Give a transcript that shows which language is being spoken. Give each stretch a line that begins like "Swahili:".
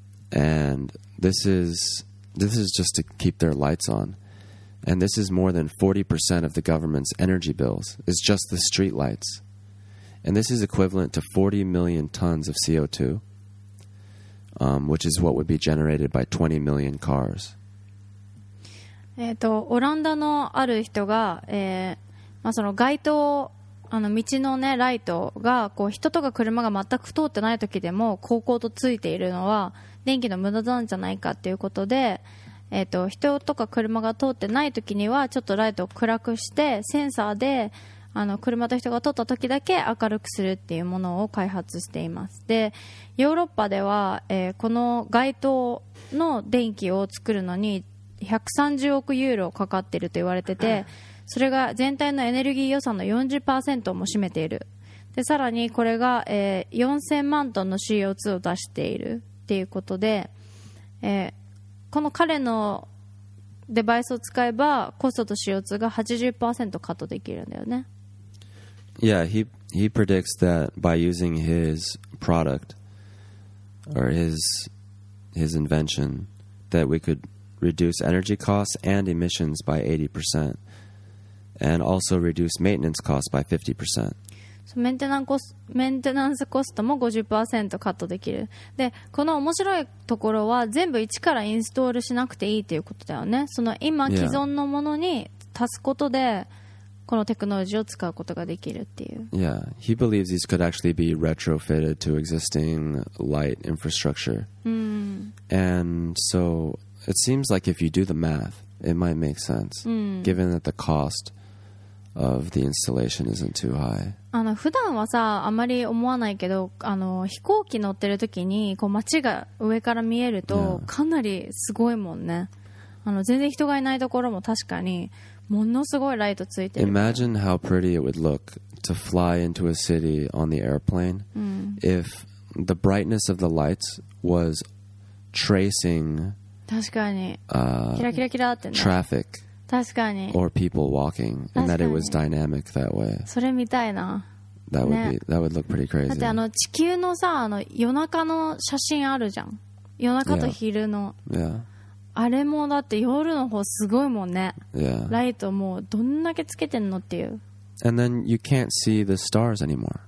English: And this is just to keep their lights on. And this is more than 40% of the government's energy bills. It's just the streetlights. And this is equivalent to 40 million tons of CO2. Which is what would be generated by 20 million cars.
Japanese: オランダのある人が、まあ、その街灯、あの道の、ね、ライトがこう人とか車が全く通ってない時でも光光とついているのは電気の無駄なんじゃないかということで、人とか車が通ってない時にはちょっとライトを暗くしてセンサーであの車と人が通った時だけ明るくするっていうものを開発しています。でヨーロッパでは、この街灯の電気を作るのに130億ユーロかかっていると言われてて、それが全体のエネルギー予算の 40% も占めている。でさらにこれが、4000万トンの CO2 を出しているっていうことで、この彼のデバイスを使えばコストと CO2 が 80% カットできるんだよね。
English: Yeah, he predicts that by using his product or his invention that we could reduce energy costs and emissions by 80% and also reduce maintenance costs by 50%. So maintenance cost
Japanese: も 50% カットできる。で、この面白いところは全部一からインストールしなくていいということだよね。その今既存のものに足すことでこのテクノロジーを使うことができるっていう。
English: Yeah, he believes these could actually be retrofitted to existing light infrastructure. And so it seems like if you do the math, it might make sense, given that the cost of the installation isn't too high.
Japanese: あの普段はさあまり思わないけど、あの飛行機乗ってる時にこう街が上から見えるとかなりすごいもんね。あの全然人がいないところも確かに。ものすごいライトついてる。
English: Imagine how pretty it would look to fly into a city on the airplane if the brightness of the lights was tracing
Japanese: 確かに、キラキラキラってね、
English: traffic
Japanese: 確かに、
English: or people walking and that it was dynamic that way.
Japanese: それみたいな。
English: That would be, that would look pretty crazy.
Japanese: だってあの地球のさ、あの夜中の写真あるじゃん。夜中と昼の、
English: yeah.
Japanese: あれもだって夜の方すごいもんね、
English: yeah.
Japanese: ライトもうどんだけつけてんのっていう。
English: And then you can't see the stars anymore.